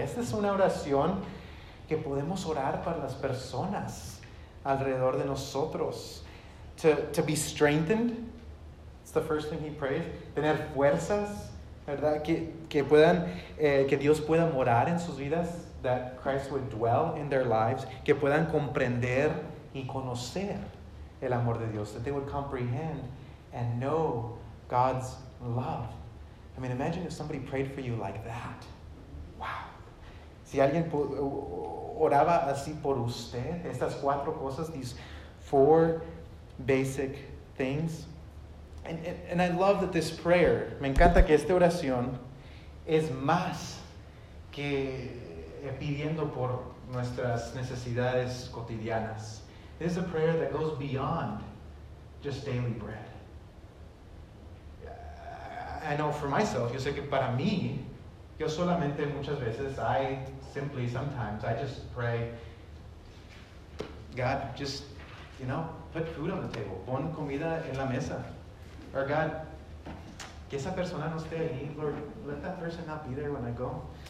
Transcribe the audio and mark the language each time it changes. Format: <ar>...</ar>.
<es>Esta es una oración que podemos orar para las personas alrededor de nosotros</es> <en>to be strengthened It's the first thing he prays.</en> <es>Tener fuerzas, ¿verdad? Que puedan, que Dios pueda morar en sus vidas.</es> <en>That Christ would dwell in their lives.</en> <es>Que puedan comprender y conocer el amor de Dios.</es> <en>That they would comprehend and know God's love. I mean, imagine if somebody prayed for you like that.</en> <es>Wow. Si alguien oraba así por usted, estas cuatro cosas,</es> <en>these four basic things. And I love that this prayer,</en> <es>me encanta que esta oración es más que pidiendo por nuestras necesidades cotidianas.</es> <en>This is a prayer that goes beyond just daily bread. I know for myself,</en> <es>yo sé que para mí, yo solamente muchas veces,</es> <en>I just pray, God, just, you know, put food on the table.</en> <es>Pon comida en la mesa.</es> <en>Or God,</en> <es>que esa persona no esté ahí.</es> <en>Lord, let that person not be there when I go.</en>